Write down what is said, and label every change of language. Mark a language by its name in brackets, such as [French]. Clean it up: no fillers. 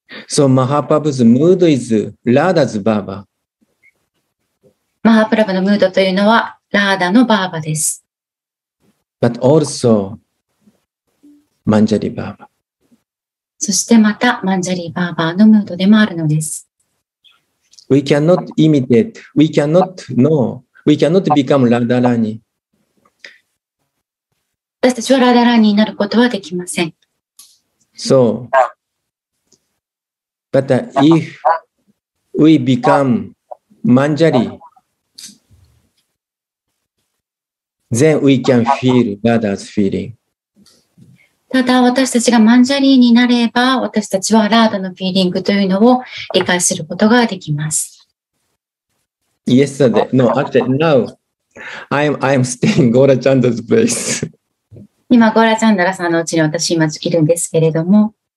[English] So Mahaprabhu's mood is Radha's Baba. [Japanese] Mahaprabhu のムードというのはラーダのバーバです。 [English] But also, マンジャリバーバ。 [Japanese] そしてまたマンジャリバーバのムードでもあるのです。 [English] We cannot imitate, we cannot know, we cannot become Radharani. [Japanese] 私たちはラダラーニになることはできません。 [English] So, but if we become Manjari, then we can feel Radha's feeling. [Japanese] ただ私たちがマンジャリーになれば、私たちはラーダのフィーリングというのを理解することができます。 [English] Yesterday, no, actually now, I'm staying Gora Chandra's place. [Japanese] 今、ゴーラチャンダラさんのうちに私今いるんですけれども。